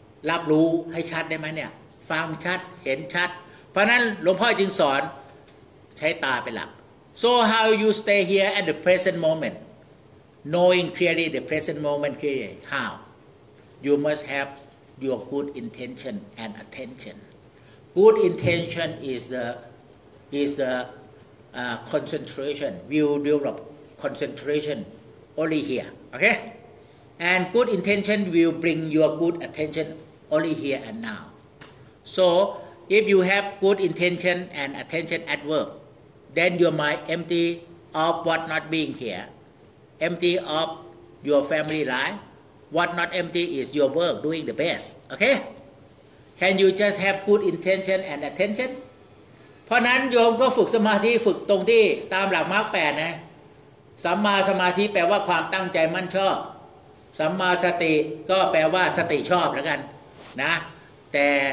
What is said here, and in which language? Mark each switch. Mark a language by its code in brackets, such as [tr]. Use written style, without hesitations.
[th] รับรู้ให้ชัดได้ไหมเนี่ยฟังชัดเห็นชัดเพราะนั้นหลวงพ่อจึงสอนใช้ตาเป็นหลัก [en] so how you stay here at the present moment knowing clearly the present moment clearly how you must have your good intention and attentionGood intention is the concentration. You develop concentration only here, okay? And good intention will bring your good attention only here and now. So if you have good intention and attention at work, then your mind empty of what not being here, empty of your family life. What not empty is your work doing the best, okay? Can you just have good intention and attention? [th] เพราะนั้นโยมก็ฝึกสมาธิฝึกตรงที่ตามหลักมรรค8นะสัมมาสมาธิแปลว่าความตั้งใจมั่นชอบสัมมาสติก็แปลว่าสติชอบแล้วกันนะแต่